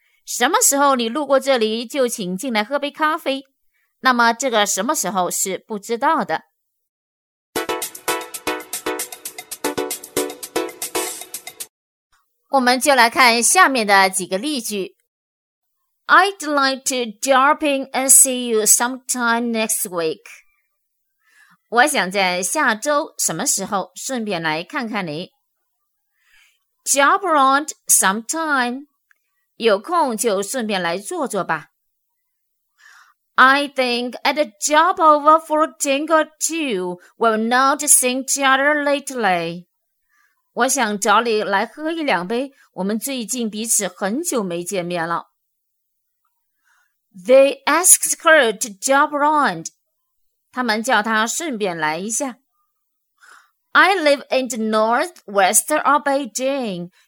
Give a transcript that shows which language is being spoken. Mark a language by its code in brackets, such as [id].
[zh] 什么时候你路过这里，就请进来喝杯咖啡。那么这个什么时候是不知道的。我们就来看下面的几个例句。 [en] I'd like to drop in and see you sometime next week. [zh] 我想在下周什么时候顺便来看看你。 [en] Drop around sometime. [zh] 有空就顺便来坐坐吧。 [en] I think I'd drop over for a drink or two while not seeing each other lately. [zh] 我想找你来喝一两杯，我们最近彼此很久没见面了。 [en] They asked her to drop around. [zh] 他们叫她顺便来一下。 [en] I live in the northwest of Beijing.